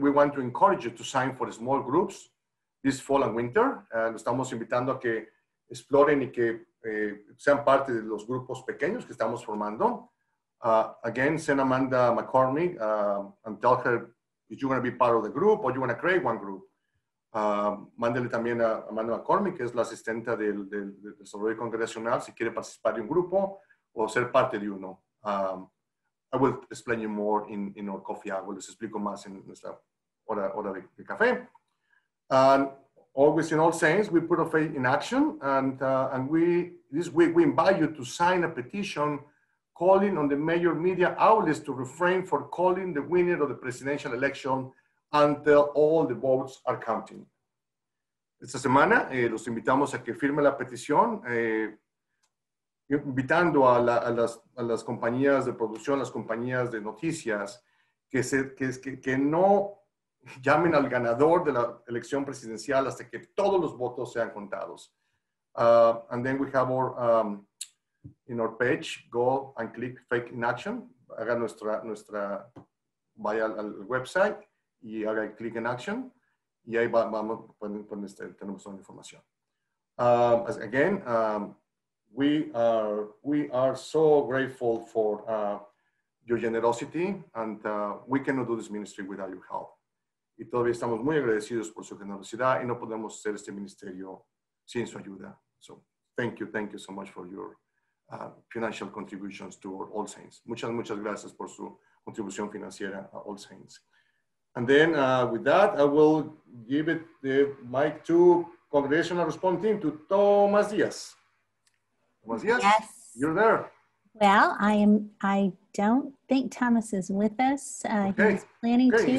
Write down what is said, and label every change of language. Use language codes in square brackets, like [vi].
[en] We want to encourage you to sign for small groups this fall and winter. [es] Estamos invitando a que exploren y que sean parte de los grupos pequeños que estamos formando. [en] Again, send Amanda McCormick and tell her if you want to be part of the group or you want to create one group. [es] Mándale también a Amanda McCormick, que es la asistente del desarrollo congresional, si quiere participar de un grupo o ser parte de uno. [en] I will explain you more in our coffee hour. [es] Les explico más en nuestra hora de café. [en] Always in All Saints, we put our faith in action, and we this week we invite you to sign a petition calling on the major media outlets to refrain from calling the winner of the presidential election until all the votes are counting. [es] Esta semana los invitamos a que firme la petición invitando a las compañías de producción, las compañías de noticias que no llamen al ganador de la elección presidencial hasta que todos los votos sean contados. [en] And then we have our in our page, go and click Fake in Action. [es] Haga nuestra vaya al website y haga el click in action. Y ahí vamos con este, tenemos toda la información. [en] Again, we are so grateful for your generosity, and we cannot do this ministry without your help. [es] Y todavía estamos muy agradecidos por su generosidad y no podemos hacer este ministerio sin su ayuda. [en] So thank you so much for your financial contributions to All Saints. [es] Muchas, muchas gracias por su contribución financiera a All Saints. [en] And then with that, I will give it the mic to Congregational Response Team, to Tomás Díaz. Tomás Díaz, yes. You're there. Well, I don't think Thomas is with us. Okay. He was planning okay.